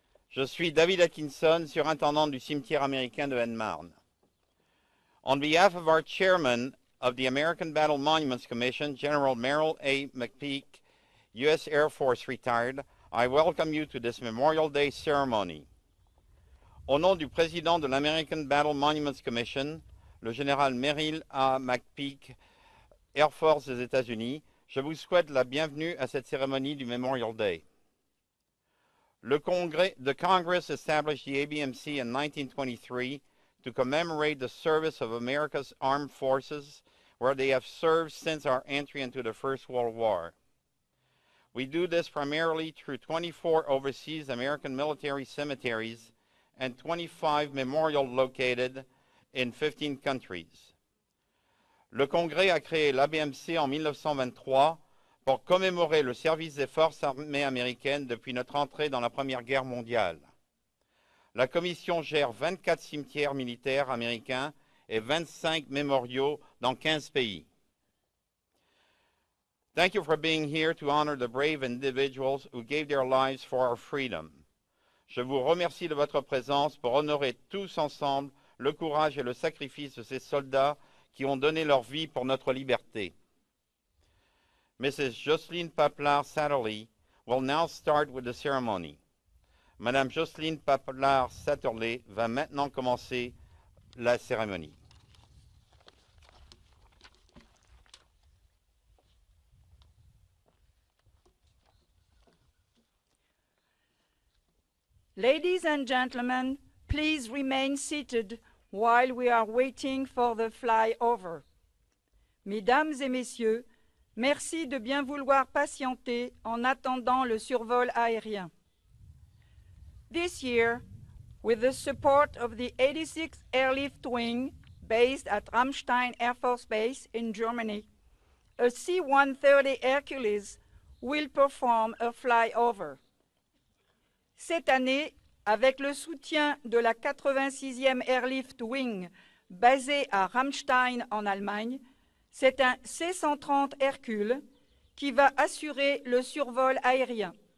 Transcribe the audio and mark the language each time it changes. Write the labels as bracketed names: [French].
[French] Je suis David Atkinson, surintendant du cimetière américain de Aisne-Marne. [English] On behalf of our chairman of the American Battle Monuments Commission, General Merrill A. McPeak, U.S. Air Force retired, I welcome you to this Memorial Day ceremony. [French] Au nom du président de l'American Battle Monuments Commission, le général Merrill A. McPeak, Air Force des États-Unis, je vous souhaite la bienvenue à cette cérémonie du Memorial Day. [English] The Congress established the ABMC in 1923 to commemorate the service of America's armed forces, where they have served since our entry into the First World War. We do this primarily through 24 overseas American military cemeteries and 25 memorials located in 15 countries. [French] Le Congrès a créé l'ABMC en 1923 pour commémorer le service des forces armées américaines depuis notre entrée dans la Première Guerre mondiale. La Commission gère 24 cimetières militaires américains et 25 mémoriaux dans 15 pays. [English] Thank you for being here to honor the brave individuals who gave their lives for our freedom. [French] Je vous remercie de votre présence pour honorer tous ensemble le courage et le sacrifice de ces soldats qui ont donné leur vie pour notre liberté. [English] Mrs. Jocelyne Paplar-Satterly will now start with the ceremony. [French] Madame Jocelyne Paplar-Satterly va maintenant commencer la cérémonie. [English] Ladies and gentlemen, please remain seated while we are waiting for the flyover. [French] Mesdames et messieurs, merci de bien vouloir patienter en attendant le survol aérien. [English] This year, with the support of the 86th Airlift Wing, based at Ramstein Air Force Base in Germany, a C-130 Hercules will perform a flyover. [French] Cette année, avec le soutien de la 86e Airlift Wing basée à Ramstein en Allemagne, c'est un C-130 Hercule qui va assurer le survol aérien.